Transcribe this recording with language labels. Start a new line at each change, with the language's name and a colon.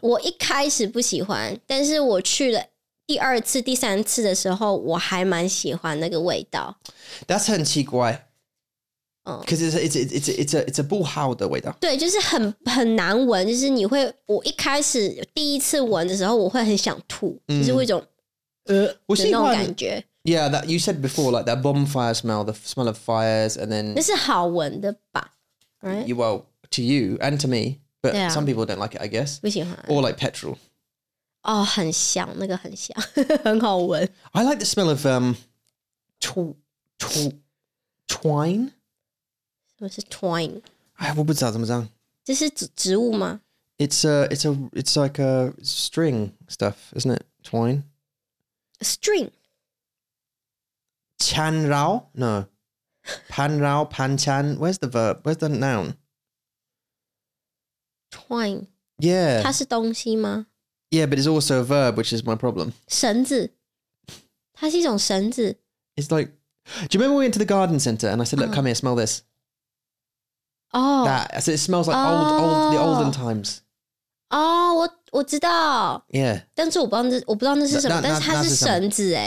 Chinese: 我一开始不喜欢但是我去了第二次、第三次的时候，我还蛮喜欢那个味道。
English: That's
Chinese: 很奇怪，
English: 嗯、，because it's a
Chinese: 不好的味道。对，就是很难闻，就是你会，我一开始第一次闻的时候，我会很想吐，就是会一种我喜欢那种感觉。
English: Yeah, that you said before, like that bonfire smell, the smell of fires, and then
Chinese: 那是好闻的吧 ？
English: Right? You, well, to you and to me, but、啊、some people don't like it, I guess.
Chinese: 不喜欢
English: ，or like petrol.
Chinese: 哦、
English: oh,
Chinese: 很香那个很香很好闻。
English: I like the smell of, twine?
Chinese: 什么是 twine? 哎我不知道怎么讲。这是植物吗
English: It's like a string stuff, isn't it? Twine? A string?
Chinese: 缠绕
English: No.
Chinese: 盘绕盘缠
English: Where's the verb? Where's the noun? Twine? Yeah.
Chinese: 它是东西吗
English: Yeah, but it's also a verb, which is my problem.
Chinese: 绳子，它是一种绳子。
English: It's like, do you remember when we went to the garden center and I said, look, come here, smell this. Oh. That, I said, it smells like the olden times. Oh,
Chinese: 我知道。
English: Yeah.
Chinese: 但是我不知道那是什么，但是它是绳子诶。